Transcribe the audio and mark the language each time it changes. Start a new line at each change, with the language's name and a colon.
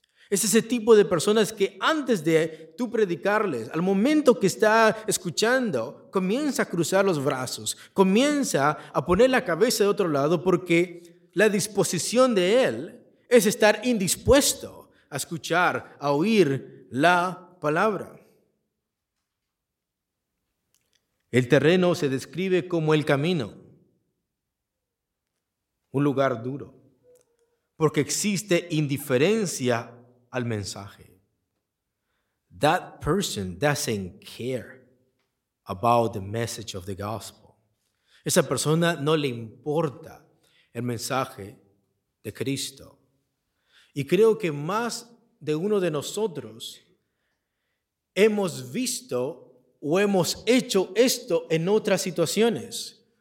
Spanish: Es ese tipo de personas que antes de tú predicarles, al momento que está escuchando, comienza a cruzar los brazos, comienza a poner la cabeza de otro lado porque la disposición de él es estar indispuesto a escuchar, a oír la palabra. El terreno se describe como el camino, un lugar duro, porque existe indiferencia al mensaje.
English: That person doesn't care about the message of the gospel.
Spanish: Esa persona no le importa el mensaje de Cristo. Y creo que más de uno de nosotros hemos visto o hemos hecho esto en otras situaciones.